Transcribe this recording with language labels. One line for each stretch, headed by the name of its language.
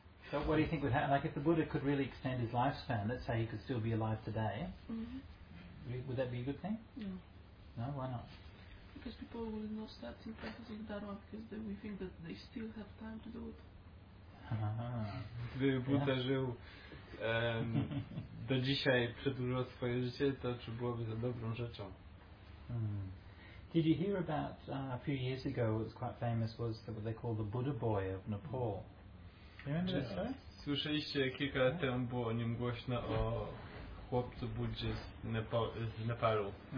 English: So what do you think would happen? Like if the Buddha could really extend his lifespan, let's say he could still be alive today, mm-hmm. would that be a good thing? No. No, why not? Because people will not start practicing Dharma because we think that they still have time to do it.
Polish: Gdyby Buddha żył do dzisiaj, przedłużał swoje życie, to czy byłoby to dobrą rzeczą? Mm.
English: Did you hear about a few years ago, it was quite famous, was what they call the Buddha boy of Nepal?
Polish: Słyszeliście kilka lat temu było o nim głośno, o chłopcu Buddzie z Nepalu.